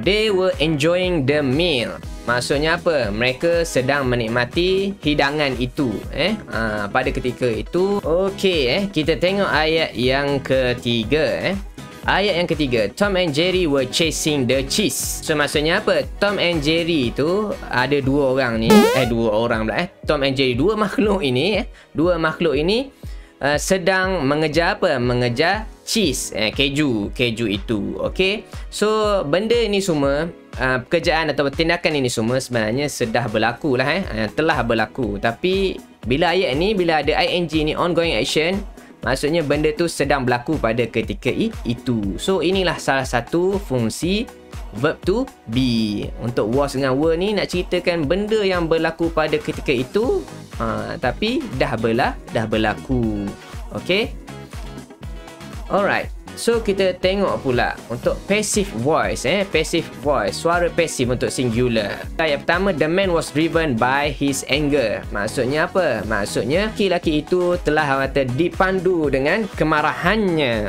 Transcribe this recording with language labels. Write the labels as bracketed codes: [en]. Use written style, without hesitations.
[en] They were enjoying the meal. [ms] Maksudnya apa? Mereka sedang menikmati hidangan itu. Pada ketika itu. Okey, kita tengok ayat yang ketiga. Ayat yang ketiga. [en] Tom and Jerry were chasing the cheese. [ms] So, maksudnya apa? Tom and Jerry itu ada dua orang ni. Dua orang pula. Tom and Jerry, dua makhluk ini. Dua makhluk ini sedang mengejar apa? Mengejar cheese, keju itu. Okay, so benda ini semua, pekerjaan atau tindakan ini semua sebenarnya sudah berlaku lah, telah berlaku. Tapi bila ayat ni, bila ada ing ni, ongoing action, maksudnya benda tu sedang berlaku pada ketika itu. So inilah salah satu fungsi verb to be. Untuk was dengan were ni nak ceritakan benda yang berlaku pada ketika itu, tapi dah berlaku. Okay, alright, so kita tengok pula untuk passive voice. Passive voice, suara passive untuk singular. [en] Ayat pertama, the man was driven by his anger. [ms] Maksudnya apa? Maksudnya laki-laki itu telah kata dipandu dengan kemarahannya.